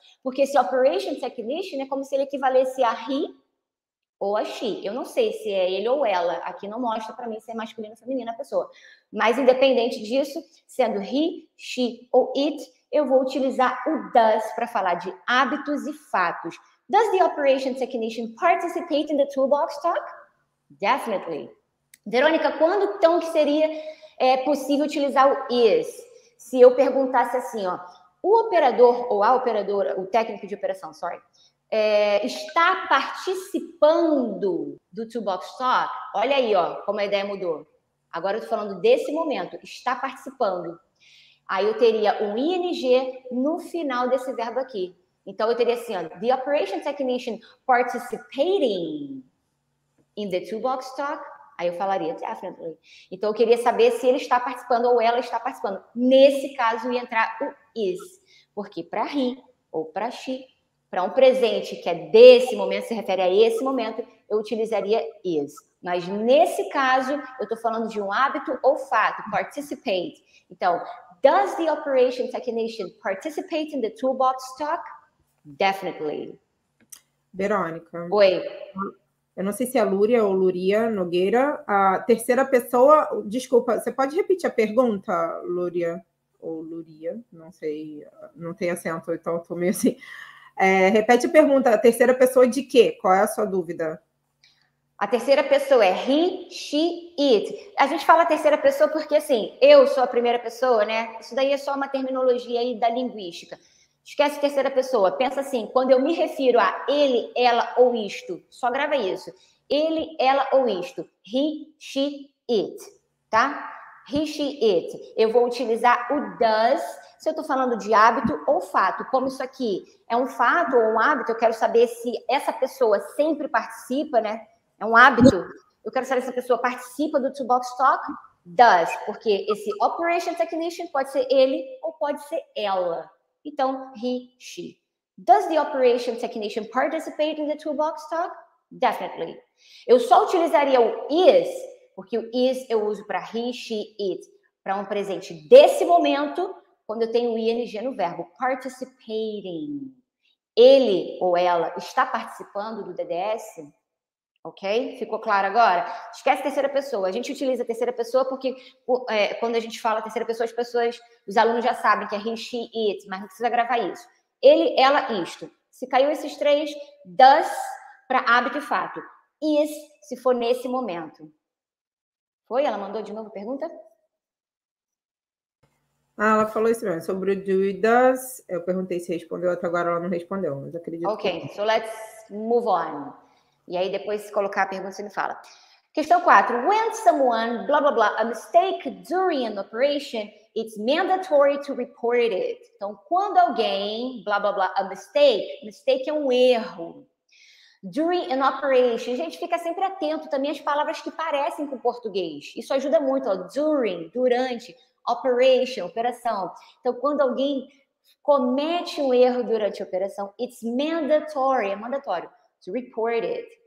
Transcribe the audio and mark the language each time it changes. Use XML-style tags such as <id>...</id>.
<pt>Porque esse operation technician é como se ele equivalesse a he ou a she. Eu não sei se é ele ou ela. Aqui não mostra para mim se é masculino ou feminino a pessoa. Mas independente disso, sendo he, she ou it, eu vou utilizar o does para falar de hábitos e fatos.</pt> <en>Does the operation technician participate in the toolbox talk? Definitely.</en> <pt>Verônica, quando então que seria possível utilizar o is? Se eu perguntasse assim, ó, o operador ou a operadora, o técnico de operação, sorry, está participando do toolbox talk? Olha aí, ó, como a ideia mudou. Agora eu tô falando desse momento, está participando. Aí eu teria um ing no final desse verbo aqui. Então eu teria assim, ó,</pt> <en>the operation technician participating in the toolbox talk.</en> <pt>Aí eu falaria definitely. Então eu queria saber se ele está participando ou ela está participando. Nesse caso ia entrar o is, porque para he ou para she, para um presente que é desse momento, se refere a esse momento, eu utilizaria is. Mas nesse caso, eu estou falando de um hábito ou fato, participate. Então,</pt> <en>does the operation technician participate in the toolbox talk? Definitely.</en> <pt>Verônica. Oi. Eu não sei se é Lúria ou Luria Nogueira. A terceira pessoa, desculpa, você pode repetir a pergunta, Lúria ou Luria? Não sei, não tem acento, então estou meio assim. Repete a pergunta, a terceira pessoa de quê? Qual é a sua dúvida? A terceira pessoa é he, she, it. A gente fala terceira pessoa porque, assim, eu sou a primeira pessoa, né? Isso daí é só uma terminologia aí da linguística. Esquece terceira pessoa. Pensa assim, quando eu me refiro a ele, ela ou isto, só grava isso. Ele, ela ou isto.</pt> <en>He, she, it.</en> <pt>Tá?</pt> <en>He, she, it.</en> <pt>Eu vou utilizar o does se eu estou falando de hábito ou fato. Como isso aqui é um fato ou um hábito, eu quero saber se essa pessoa sempre participa, né? É um hábito. Eu quero saber se a pessoa participa do toolbox talk. Does. Porque esse operation technician pode ser ele ou pode ser ela.</pt> <en>Então, he, she. Does the operation technician participate in the toolbox talk? Definitely.</en> <pt>Eu só utilizaria o is, porque o is eu uso para he, she, it. Para um presente desse momento, quando eu tenho o ing no verbo. Participating. Ele ou ela está participando do DDS? Ok? Ficou claro agora? Esquece a terceira pessoa. A gente utiliza a terceira pessoa porque quando a gente fala a terceira pessoa, os alunos já sabem que é he, she, it, mas não precisa gravar isso. Ele, ela, isto. Se caiu esses três, does para hábito e fato. Is, se for nesse momento. Foi? Ela mandou de novo a pergunta? Ah, ela falou isso mesmo. Sobre o do e does, eu perguntei se respondeu, até agora ela não respondeu, mas acredito.</pt> <en>Ok, que... so let's move on.</en> <pt>E aí depois se colocar a pergunta você me fala. Questão 4.</pt> <en>When someone, blah, blah, blah, a mistake during an operation, it's mandatory to report it.</en> <pt>Então, quando alguém, blah, blah, blah,</pt> <en>a mistake, mistake</en> <pt>é um erro. During an operation, a gente fica sempre atento também às palavras que parecem com o português. Isso ajuda muito, ó. During, durante, operation, operação. Então, quando alguém comete um erro durante a operação,</pt> <en>it's mandatory,</en> <pt>é mandatório.</pt> <en>To report it.</en>